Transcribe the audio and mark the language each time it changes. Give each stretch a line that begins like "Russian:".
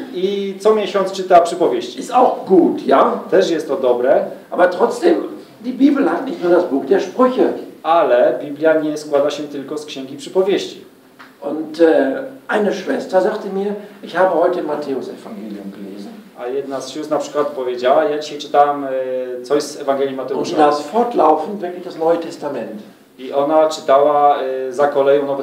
Polish: I co miesiąc czyta Przypowieści.
German: Ist auch gut, ja?
Polish: Też jest to dobre.
German: Aber trotzdem, die Bibel hat nicht nur das Buch der Sprüche.
Polish: Ale Biblia nie składa się tylko z Księgi Przypowieści.
German: Und eine Schwester sagte mir, ich habe heute Matthäus Evangelium gelesen.
Polish: A jedna z sióstr na przykład powiedziała, ja dzisiaj czytałam coś z Ewangelii Mateusza.
German: Und das fortlaufend wirklich das Neue Testament.
Polish: I ona czytała za koleją Nowy